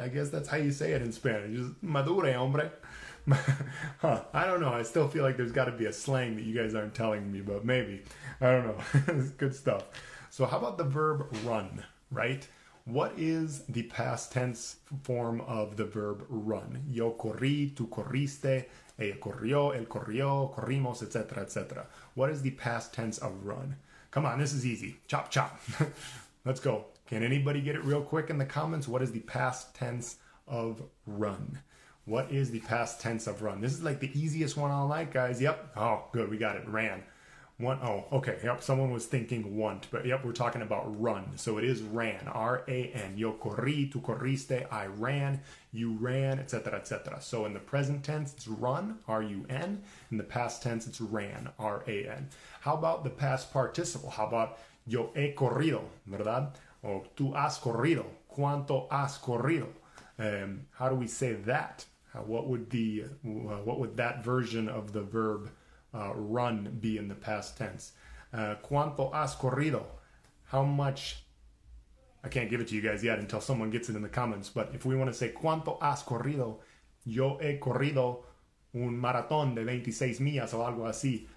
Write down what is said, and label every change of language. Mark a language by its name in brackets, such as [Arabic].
[English] I guess that's how you say it in Spanish. Just, [Spanish] madure, hombre. [English] Huh. I don't know. I still feel like there's got to be a slang that you guys aren't telling me, but maybe. I don't know. It's good stuff. So how about the verb run, right? What is the past tense form of the verb run? [Spanish] Yo corrí, tú corriste, ella corrió, él corrió, corrimos, etc., etc. [English] What is the past tense of run? Come on, this is easy. Chop, chop. Let's go. Can anybody get it real quick in the comments? What is the past tense of run? What is the past tense of run? This is like the easiest one I'll like, guys. Yep. Oh, good. We got it. Ran. One. Oh, okay. Yep. Someone was thinking want, but yep, we're talking about run. So it is ran. R-A-N. [Spanish] Yo corrí, tú corriste, [English] I ran, you ran, etc., etc. So in the present tense, it's run, R-U-N. In the past tense, it's ran, R-A-N. How about the past participle? How about [Spanish] yo he corrido, ¿verdad? O tú has corrido. ¿Cuánto has corrido? [English] How do we say that? What would that version of the verb run be in the past tense? [Spanish] ¿Cuánto has corrido? [English] How much? I can't give it to you guys yet until someone gets it in the comments. But if we want to say [Spanish] ¿cuánto has corrido? Yo he corrido un maratón de 26 millas o algo así.